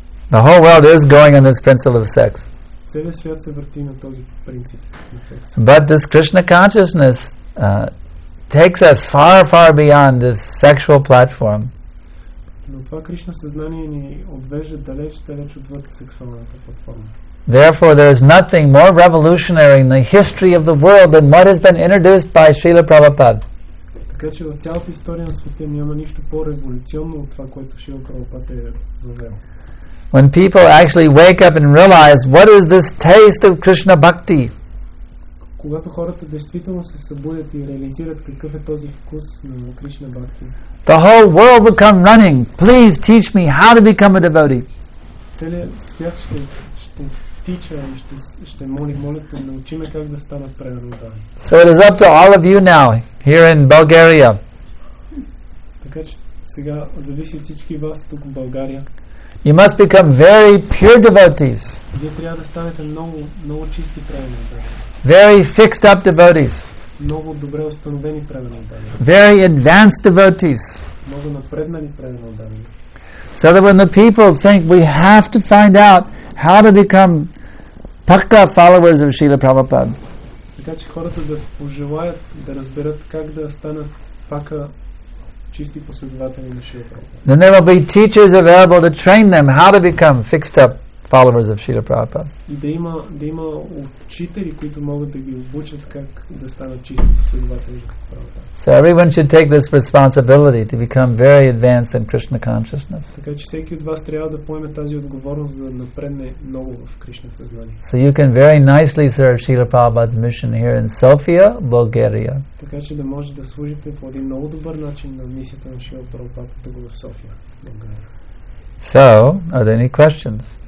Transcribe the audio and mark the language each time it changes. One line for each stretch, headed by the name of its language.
English: The whole world is going on this principle of sex.
Bulgarian: целият свят се върти на този принцип.
English: But this Krishna consciousness takes us far, far beyond this sexual platform.
Bulgarian: Но това Кришна съзнание ни отвежда далеч, далеч отвъд сексуалната платформа.
English: Therefore, there is nothing more revolutionary in the history of the world than what has been introduced by Srila Prabhupada.
Bulgarian: Така че в цялата история на света няма нищо по-революционно от това, което Шрила Прабхупада е въвел.
English: When people actually wake up and realize what is this taste of Krishna bhakti.
Bulgarian: Когато хората действително се събудят и реализират какъв е този вкус на Кришна бхакти.
English: The whole world will come running. Please teach me how to become a devotee.
Bulgarian: Целият свят ще тича и ще моли, молите, научи ме как да стана преданодан.
English: So it is up to all of you now, here in Bulgaria.
Bulgarian: Така че сега зависи от всички вас тук в България.
English: You must become very pure devotees.
Bulgarian: Вие трябва да станете много, много чисти преданодани.
English: Very fixed up devotees.
Bulgarian: Много добре установени преданодани.
English: Very advanced devotees.
Bulgarian: Много напреднали преданодани.
English: So that when the people think we have to find out how to become pakka followers of Srila Prabhupada.
Bulgarian: Така че хората да пожелаят да разберат как да станат пакка чисти последователи на Шрила Прабхупада.
English: Then there will be teachers available to train them how to become fixed up followers of Srila Prabhupada.
Bulgarian: Да има учители, които могат да ги обучат как да станат чисти последователи на Прабхупада.
English: So everyone should take this responsibility to become very advanced in Krishna consciousness.
Bulgarian: Така че всеки от вас трябва да поеме тази отговорност да напредне много в Кришна съзнание.
English: So you can very nicely serve Srila Prabhupada's mission here in Sofia, Bulgaria.
Bulgarian: Така че да може да служите по един много добър начин на мисията на Шрила Прабхупада тук в София, Bulgaria.
English: So, are there any questions?